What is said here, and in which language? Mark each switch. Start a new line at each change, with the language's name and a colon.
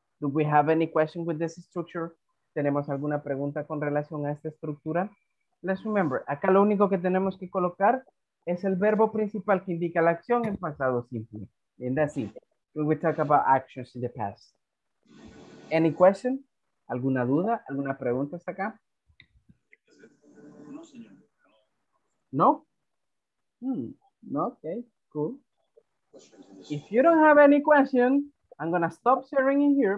English: Do we have any question with this structure?
Spanish: ¿Tenemos alguna pregunta con relación a esta estructura?
English: Let's remember,
Spanish: acá lo único que tenemos que colocar es el verbo principal que indica la acción en pasado simple.
English: And that's it. When we talk about actions in the past. Any question?
Spanish: ¿Alguna duda? ¿Alguna pregunta hasta acá? No, señor. ¿No? Ok, cool.
English: If you don't have any question, I'm going to stop sharing in here.